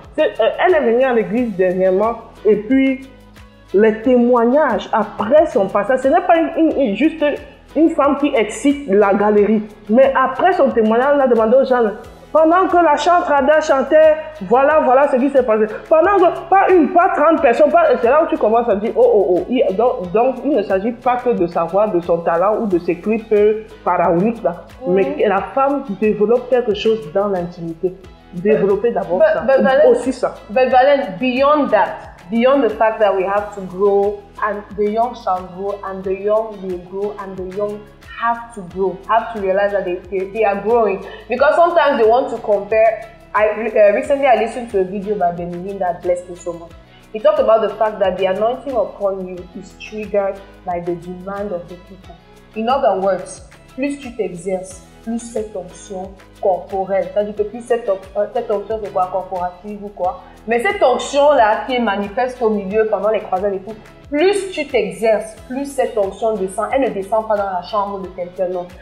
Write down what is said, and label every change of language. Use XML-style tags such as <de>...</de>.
<fr>Elle est venue à l'église dernièrement et puis les témoignages après son passage, ce n'est pas juste une femme qui excite la galerie, mais après son témoignage, on a demandé aux gens, pendant que la chantrada chantait, voilà ce qui s'est passé. Pendant que, pas une, pas 30 personnes, c'est là où tu commences à dire, oh, donc il ne s'agit pas que de savoir de son talent ou de ses clips pharaoniques, mais la femme développe quelque chose dans l'intimité. développer d'abord</fr> <en>Valen, beyond that, beyond the fact that we have to grow, and the young shall grow, and the young will grow, and the young have to grow, have to realize that they are growing. Because sometimes they want to compare. Recently I listened to a video by Benjamin that blessed me so much. He talked about the fact that the anointing upon you is triggered by the demand of the people. In other words,</en> <fr>plus tu t'exerces, plus cette onction corporelle, c'est-à-dire que plus cette onction, c'est quoi, corporative ou quoi, mais cette onction-là qui est manifeste au milieu pendant les croisades et tout, plus tu t'exerces, plus cette onction descend. Elle ne descend pas dans la chambre de quelqu'un, non.</fr>